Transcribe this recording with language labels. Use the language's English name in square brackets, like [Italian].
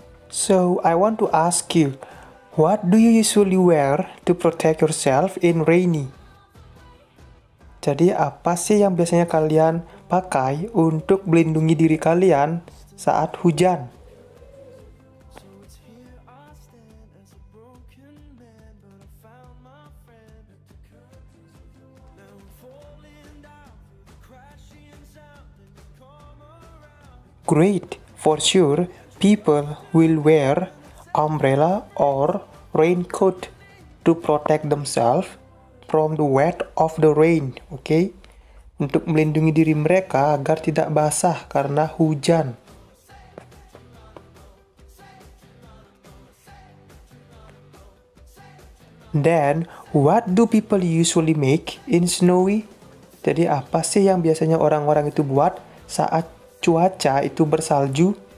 [English] So, I want to ask you, what do you usually wear to protect yourself in rainy? [Indonesian] Jadi, apa sih yang biasanya kalian pakai untuk melindungi diri kalian saat hujan? [English] Great, for sure, people will wear umbrella or raincoat to protect themselves from the wet of the rain, okay? [Indonesian] Untuk melindungi diri mereka agar tidak basah karena hujan. [English] Then, what do people usually make in snowy? [Indonesian] Jadi, apa sih yang biasanya orang-orang itu buat saat cuaca itu bersalju?